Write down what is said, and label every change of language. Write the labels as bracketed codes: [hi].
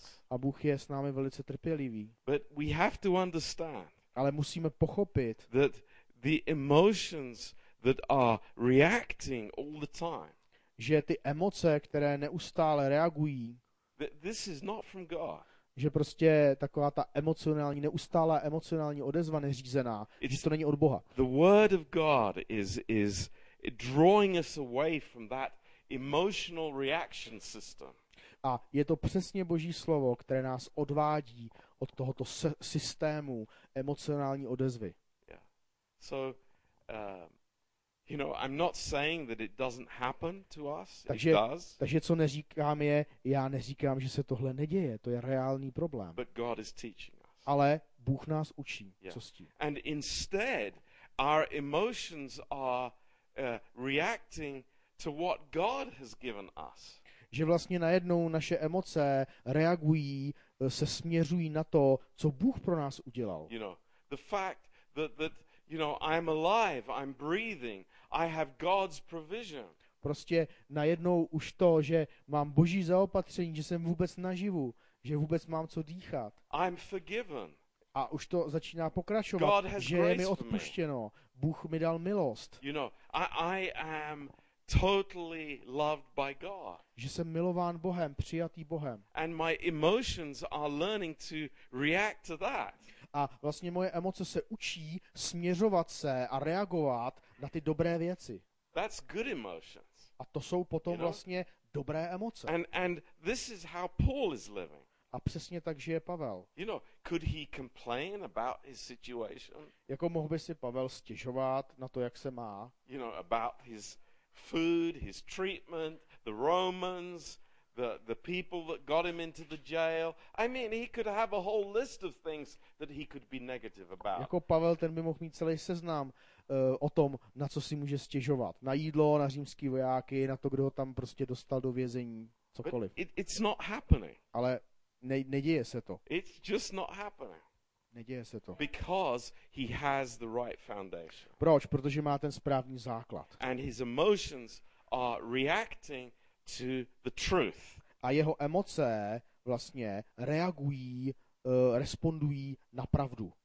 [cs] A Bůh je s námi velice trpělivý. [en] But we have to understand. [cs] Ale musíme pochopit. [en] That the emotions that are reacting all the time. [cs] Že ty emoce, které neustále reagují. [en] That this is not from God. [cs] Že prostě taková ta emocionální, neustálá emocionální odezva neřízená, že to není od Boha. [en] The word of God is drawing us away from that emotional reaction system. [cs] A je to přesně Boží slovo, které nás odvádí od tohoto systému emocionální odezvy. Yeah. [en] So you know, I'm not saying that it doesn't happen to us. [cs] Takže, [en] it does. [cs] Takže co neříkám je, já neříkám, že se tohle neděje. To je reálný problém. [en] But God is teaching us. [cs] Ale Bůh nás učí, yeah. Co s tím. [en] And instead, our emotions are reacting to what God has given us. [cs] Že vlastně najednou naše emoce reagují, se směřují na to, co Bůh pro nás udělal. [en] You know, the fact that you know, I'm alive, I'm breathing, I have God's provision. [cs] Prostě najednou už to, že mám Boží zaopatření, že jsem vůbec naživu, že vůbec mám co dýchat. [en] I'm forgiven. [cs] A už to začíná pokračovat, že je mi odpuštěno. Bůh mi dal milost. [en] You know, I am totally loved by God. [cs] Že jsem milován Bohem, přijatý Bohem. [en] And my emotions are learning to react to that. [cs] A vlastně moje emoce se učí směřovat se a reagovat na ty dobré věci. [en] That's good emotions. [cs] A to jsou potom [en] you know? [cs] Vlastně dobré emoce. [en] And this is how Paul is living. [cs] A přesně tak žije Pavel. [en] You know, could he complain about his situation? [cs] Jako mohl by si Pavel stěžovat na to, jak se má? [en] You know, about his food, his treatment, the Romans, the people that got him into the jail. I mean, he could have a whole list of things that he could be negative about. [cs] Jako Pavel, ten by mohl mít celý seznam o tom, na co si může stěžovat. Na jídlo, na římský vojáky, na to, kdo ho tam prostě dostal do vězení, cokoliv. [en] But it's not happening. [cs] Ale neděje se to. [en] It's just not happening. [cs] Neděje se to. [en] Because he has the right foundation. [cs] Proč? Protože má ten správný základ. [en] And his emotions are reacting to the truth. [cs] A jeho emoce vlastně reagují, respondují na pravdu.